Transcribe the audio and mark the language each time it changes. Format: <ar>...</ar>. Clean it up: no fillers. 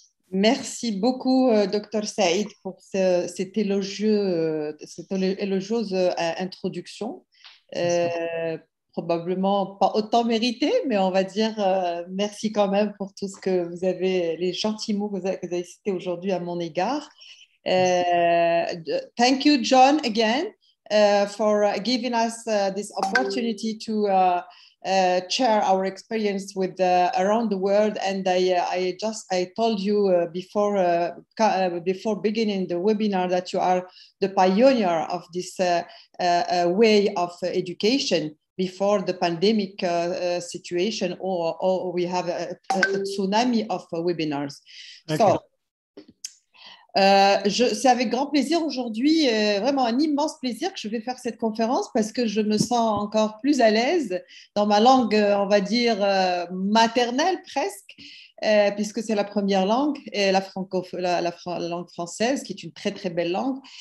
<fr>Merci beaucoup, docteur Saïd, pour cette élogieuse introduction. Probablement pas autant mérité, mais on va dire merci quand même pour tout ce que vous avez, les gentils mots que vous avez cités aujourd'hui à mon égard.</fr> <en>Thank you, John, again, for giving us this opportunity to share our experience with around the world. And I told you before beginning the webinar that you are the pioneer of this way of education before the pandemic situation, or we have a tsunami of webinars. Okay. So.</en> <fr>C'est avec grand plaisir aujourd'hui, vraiment un immense plaisir que je vais faire cette conférence parce que je me sens encore plus à l'aise dans ma langue, on va dire maternelle presque, puisque c'est la première langue, et la langue française qui est une très très belle langue.</fr>